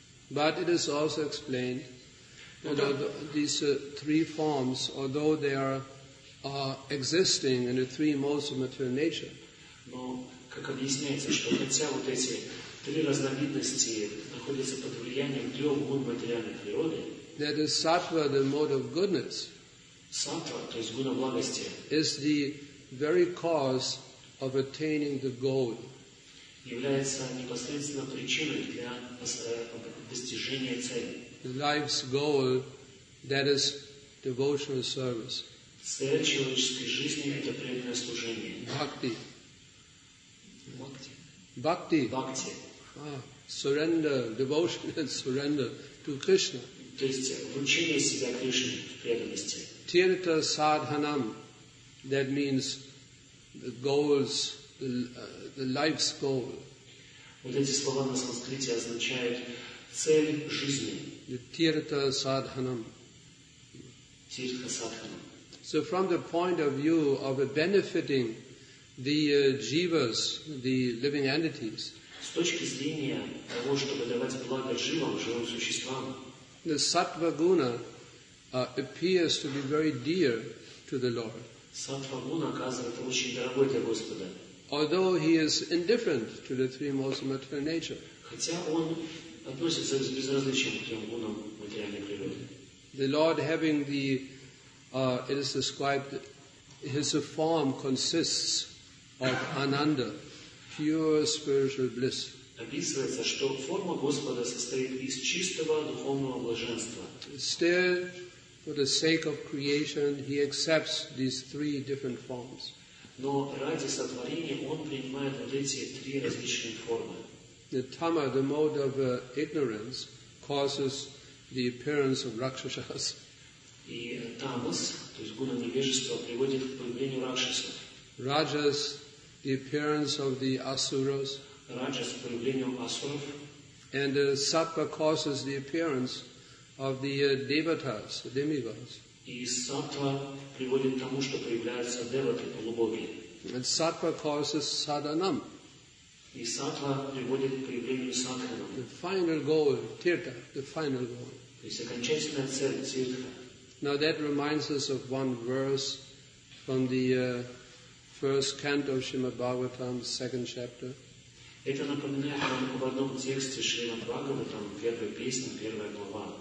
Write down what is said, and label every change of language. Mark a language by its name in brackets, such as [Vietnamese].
[English] But it is also explained that these three forms, although they are existing in the three modes of material nature, [Russian] но как объясняется, что хотя вот эти три разновидности находятся под влиянием трех гун материальной природы, [English] that is Сатва, the mode of goodness, [Russian] Сатва, то есть гуна благости, [English] is the very cause of attaining the goal. [Russian] Является непосредственно причиной для достижения цели. [English] Life's goal, that is devotional service. [Russian] Цель человеческой жизни – это преданное служение. Бхакти. Бхакти. Бхакти. Бхакти. [English] Surrender, devotion and surrender to Krishna. [Russian] То есть вручение себя Кришне в преданности. [Sanskrit] Тирта садханам, [English] that means the goals, the life's goal. [Russian] Вот эти слова на санскрите означают цель жизни. [Sanskrit] The тирта садханам. Тирта садханам. [English] So from the point of view of benefiting the jivas, the living entities, [Russian] с точки зрения того, чтобы давать благо живым, живым существам, [English] the sattva guna appears to be very dear to the Lord. [Russian] Sattva guna оказывает очень дорогой для Господа. [English] Although he is indifferent to the three modes of material nature. [Russian] Хотя он относится с безразличием к трем гунам материальной природы. [English] The Lord having the it is described his form consists of ananda, pure spiritual bliss. [Russian] Описывается, что форма Господа состоит из чистого духовного блаженства. [English] Still, for the sake of creation, he accepts these three different forms. [Russian] Но ради сотворения он принимает вот эти три различные формы. [English] The tama, the mode of ignorance, causes the appearance of rakshasas. [Russian] И тамас, то есть гуна невежества, приводит к появлению ракшасов. [English] Rajas, the appearance of the asuras. [Russian] Rajas, появлением асуров. [English] And sattva causes the appearance of the devatas, the demigods. [Russian] И сатва приводит к тому, что появляются деваты, полубоги. [English] And sattva causes садханам. [Russian] И сатва приводит к появлению садханам. [English] The final goal, тирта, the final goal. [Russian] То есть окончательная цель, тирта. [English] Now that reminds us of one verse from the first canto of Srimad Bhagavatam, second chapter. [Russian] Это напоминает нам об одном тексте Шримад Бхагаватам, первая песня, первая глава.